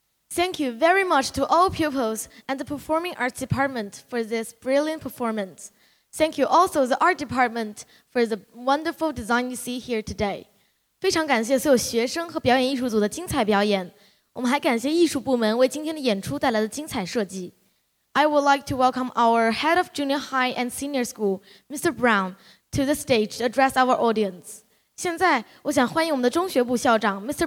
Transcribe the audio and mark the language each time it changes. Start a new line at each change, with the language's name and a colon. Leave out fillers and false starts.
English: Thank you very much to all pupils and the Performing Arts Department for this brilliant performance. Thank you also the Art Department for the wonderful design you see here today.
Chinese: 非常感谢所有学生和表演艺术组的精彩表演。我们还感谢艺术部门为今天的演出带来的精彩设计。
English: I would like to welcome our Head of Junior High and Senior School, Mr. Brown, to the stage to address our audience.
Chinese: 现在我想欢迎我们的中学部校长 Mr.